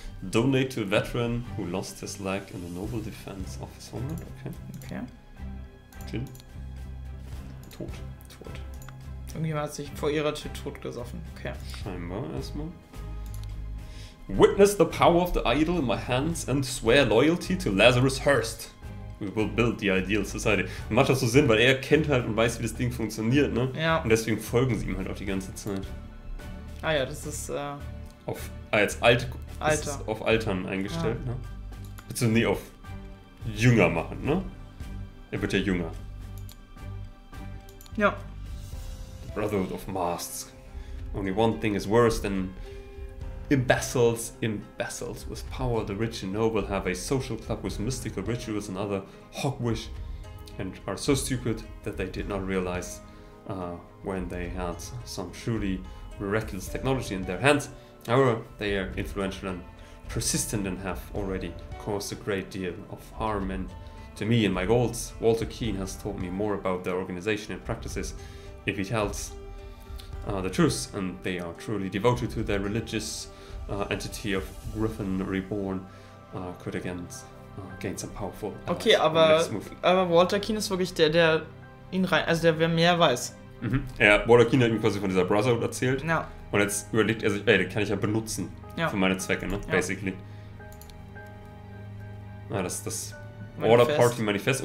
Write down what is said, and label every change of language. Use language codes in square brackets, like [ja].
[en] Donate to a veteran who lost his leg in the noble defense of his homeland. [de] Okay. Okay. Jin. Tot. Irgendjemand hat sich vor ihrer Tür tot gesoffen. Okay. Scheinbar erstmal. [en] Witness the power of the idol in my hands and swear loyalty to Lazarus Hurst. We will build the ideal society. [de] Und macht das so Sinn, weil er kennt halt und weiß, wie das Ding funktioniert, ne? Ja. Und deswegen folgen sie ihm halt auch die ganze Zeit. Ah ja, das ist auf als alt, Alter. Ist auf Altern eingestellt, ne? Beziehungsweise nee, auf jünger machen, ne? Er wird ja jünger. Ja. [en] Brotherhood of Masts. Only one thing is worse than imbeciles. Imbeciles with power, the rich and noble have a social club with mystical rituals and other hogwash, and are so stupid that they did not realize when they had some truly miraculous technology in their hands. However, they are influential and persistent and have already caused a great deal of harm. And to me and my goals, Walter Keen has taught me more about their organization and practices. If he tells the truth, and they are truly devoted to their religious entity of Griffin Reborn, could again gain some powerful allies. [de] Okay, aber Walter Keen ist wirklich der, der ihn rein, also der, wer mehr weiß. Mhm. Ja, Walter Keen hat ihm quasi von dieser Brotherhood erzählt. Ja. Und jetzt überlegt er sich, ey, den kann ich ja benutzen für meine Zwecke, ne? Ja. [en] Basically. [de] Ja, das Order Party Manifest.